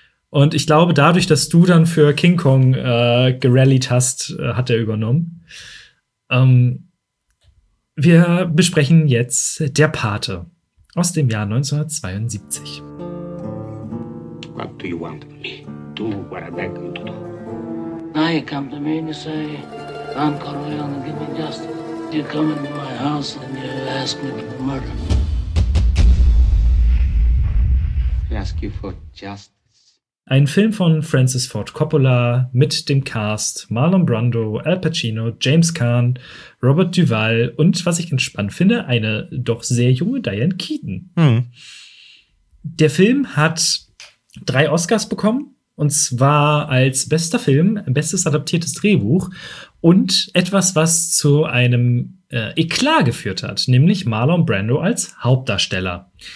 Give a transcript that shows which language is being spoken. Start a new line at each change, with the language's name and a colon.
German: Und ich glaube, dadurch, dass du dann für King Kong gerallied hast, hat er übernommen. Wir besprechen jetzt Der Pate aus dem Jahr 1972.
English: What do you want me? Do what I beg you to do. Now you come to me and you say, I'm Corleone, give me justice. You come into my house and you ask me for murder. I ask you for justice.
German: Ein Film von Francis Ford Coppola mit dem Cast Marlon Brando, Al Pacino, James Caan, Robert Duvall und, was ich entspannt finde, eine doch sehr junge Diane Keaton. Hm. Der Film hat 3 Oscars bekommen, und zwar als bester Film, bestes adaptiertes Drehbuch und etwas, was zu einem Eklat geführt hat, nämlich Marlon Brando als Hauptdarsteller.